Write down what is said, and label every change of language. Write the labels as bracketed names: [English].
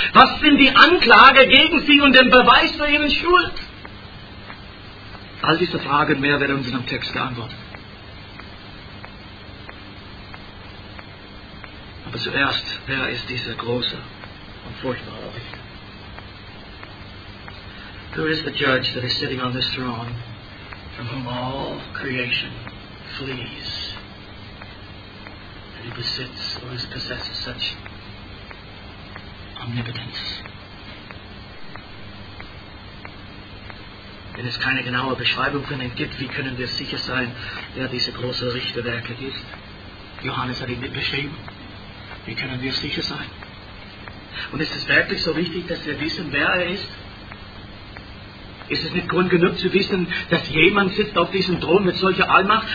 [German] Was sind die Anklage gegen sie und den Beweis für ihre Schuld? All diese Fragen mehr werden uns in dem Text geantwortet. Aber zuerst, wer ist dieser große und furchtbare Richter? [English] Who is the judge that is sitting on this throne from whom all creation flees? He besits or is possessed of such omnipotence. [German] Wenn es keine genaue Beschreibung von ihm gibt, wie können wir sicher sein, wer diese große Richter wirklich ist? Johannes hat ihn nicht beschrieben. Wie können wir sicher sein? Und ist es wirklich so wichtig, dass wir wissen, wer er ist? Ist es nicht Grund genug zu wissen, dass jemand sitzt auf diesem Thron mit solcher Allmacht?